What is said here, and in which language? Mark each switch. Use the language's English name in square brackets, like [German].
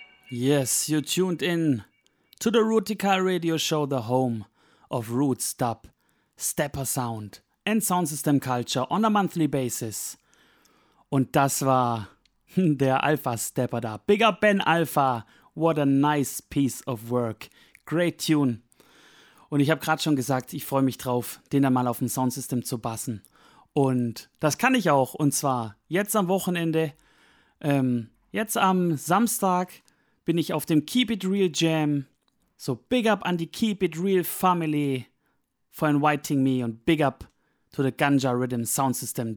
[English] Yes, you tuned in to the Rootikal Radio Show, the home of Roots, Dub, Stepper Sound and Sound System Culture on a monthly basis. [German] Und das war der Alpha Stepper da. [English] Big up Ben Alpha, what a nice piece of work. Great tune. [German] Und ich habe gerade schon gesagt, ich freue mich drauf, den dann mal auf dem Sound System zu bassen. Und das kann ich auch, und zwar jetzt am Wochenende, jetzt am Samstag, bin ich auf dem Keep It Real Jam. [English] So big up an die Keep It Real Family for inviting me und big up to the Ganja Rhythm Sound System.